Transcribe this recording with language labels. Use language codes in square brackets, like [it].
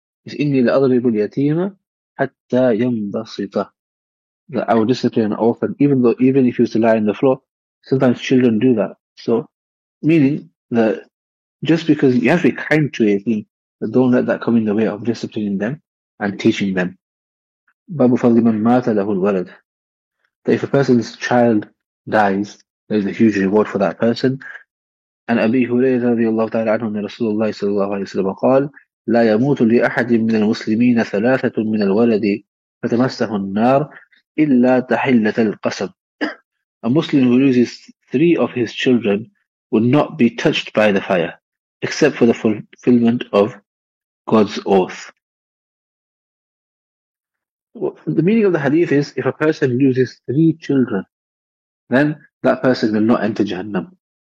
[en] It's [ar] إني لأضرب اليتيم حتى ينبسط. [en] That I will discipline an orphan, even though, even if he was to lie on the floor. Sometimes children do that. So, meaning that just because you have to be kind to a yatim, but don't let that come in the way of disciplining them and teaching them. [ar] بَابُ فَضْلِ مَنْ مَاتَ لَهُ الْوَلَدِ. [en] That if a person's child dies, there is a huge reward for that person. [ar] And أبي هريرة رضي الله تعالى عنه من رسول الله صلى الله عليه وسلم قال لا يموت لأحد من المسلمين ثلاثة من الولد فتمسه النار إلا تحلة القسم. [en] A Muslim who loses three of his children would not be touched by the fire except for the fulfillment of God's oath. Well, the meaning of the hadith is if a person loses three children, then that person will not enter Jahannam.